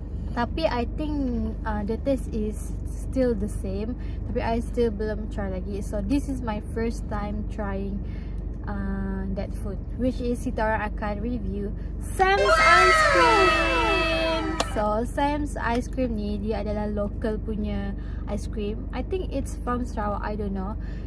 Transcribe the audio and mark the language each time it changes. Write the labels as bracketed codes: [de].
[en] Tapi I think the taste is still the same, tapi I still belum try lagi. So this is my first time trying that food, which is Sitara akan review Sam's Ice Cream. [ms] So Sam's Ice Cream ni, dia adalah local punya ice cream. [en] I think it's from Sarawak, I don't know.